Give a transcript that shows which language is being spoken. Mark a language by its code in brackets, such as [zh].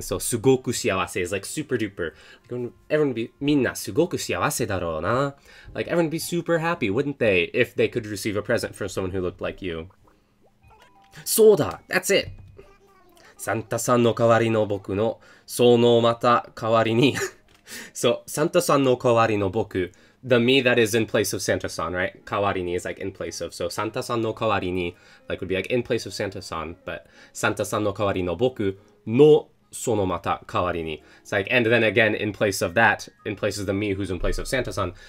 [en] So, すごく幸せ is like super duper. Everyone be, [ja] みんなすごく幸せだろうな [en] Like, everyone would be super happy, wouldn't they? If they could receive a present from someone who looked like you. [ja] そうだ [en] That's it! [ja] サンタさんの代わりの僕の、そのまた代わりに。 So, サンタさんの代わりの僕。 [en] The me that is in place of Santa-san, right? 代わりに is like in place of. So, [ja] サンタさんの代わりに [en] like would be like in place of Santa-san. But, [ja] サンタさんの代わりの僕のそのまた代わりに [en] It's like, and then again, in place of that, in place of the me who's in place of Santa-san,